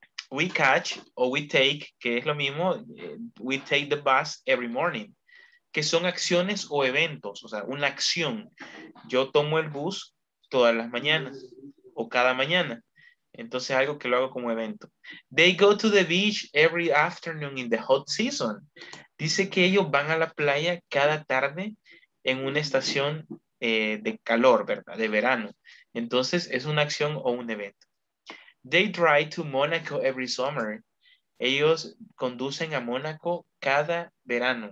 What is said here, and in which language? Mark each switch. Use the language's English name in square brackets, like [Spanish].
[English] We catch [Spanish] o [English] we take, [Spanish] que es lo mismo, [English] we take the bus every morning, [Spanish] que son acciones o eventos, o sea, una acción. Yo tomo el bus todas las mañanas o cada mañana. Entonces, algo que lo hago como evento. [English] They go to the beach every afternoon in the hot season. [Spanish] Dice que ellos van a la playa cada tarde en una estación de calor, ¿verdad? De verano. Entonces, es una acción o un evento. [English] They drive to Monaco every summer. [Spanish] Ellos conducen a Mónaco cada verano.